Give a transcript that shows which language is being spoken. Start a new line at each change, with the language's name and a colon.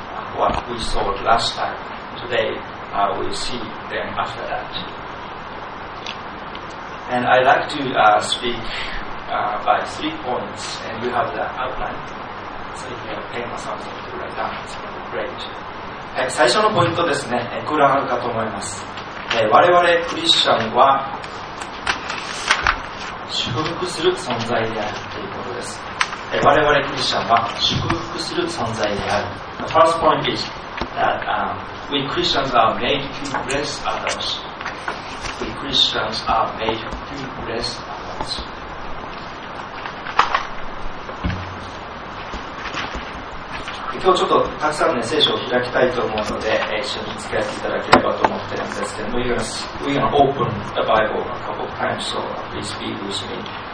English: What we saw last time. Today, we see them after that. And I'd like to speak by 3 points, and we have the outline. So if you have pen or something to write down, it's going to be great.
Japanese: 最初のポイントですね、これはあるかと思います。我々クリスチャンは祝福する存在であるということです。我々クリスチャンは祝福する存在である。
English: The first point is that we Christians are made to bless others. We Christians are made to bless others.
Japanese: 今日ちょっとたくさんね聖書を開きたいと思うので、一緒に付き合っていただければと思っているんですけど、
English: we're gonna open the Bible a couple of times, so please be with me.